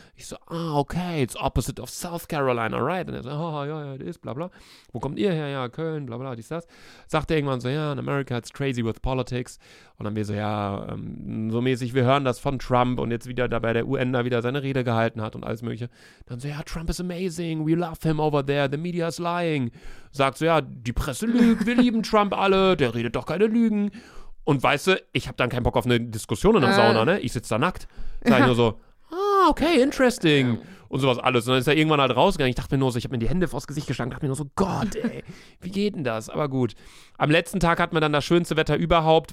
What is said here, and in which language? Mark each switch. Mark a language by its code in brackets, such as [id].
[de] Ich so, [en] okay, it's opposite of South Carolina, right? [de] Und er so, [en] it is, [de] bla bla. Wo kommt ihr her? Ja, Köln, bla bla, dies, das. Sagt er irgendwann so, [en] in America it's crazy with politics. [de] Und dann wir so, so mäßig, wir hören das von Trump und jetzt wieder da bei der UN da wieder seine Rede gehalten hat und alles mögliche. Dann so, [en] Trump is amazing, we love him over there, the media is lying. [de] Sagt so, die Presse lügt, wir lieben Trump alle, der redet doch keine Lügen. Und weißt du, ich habe dann keinen Bock auf eine Diskussion in der Sauna, ne? Ich sitze da nackt. Sag ich nur so, [en] okay, interesting. [de] Und sowas alles. Und dann ist er irgendwann halt rausgegangen. Ich dachte mir nur so, ich habe mir die Hände vors Gesicht geschlagen. Dachte mir nur so, Gott, ey, wie geht denn das? Aber gut. Am letzten Tag hatten wir dann das schönste Wetter überhaupt.